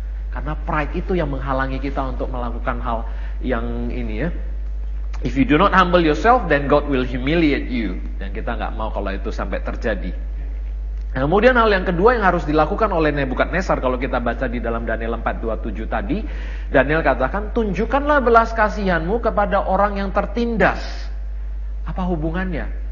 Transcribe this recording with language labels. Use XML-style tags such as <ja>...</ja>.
<id>Karena pride itu yang menghalangi kita untuk melakukan hal yang ini ya.</id> <en>If you do not humble yourself, then God will humiliate you.</en> <id>Dan kita gak mau kalau itu sampai terjadi. Nah, kemudian hal yang kedua yang harus dilakukan oleh Nebukadnezar, kalau kita baca di dalam Daniel 4:27 tadi, Daniel katakan, tunjukkanlah belas kasihanmu kepada orang yang tertindas. Apa hubungannya?</id>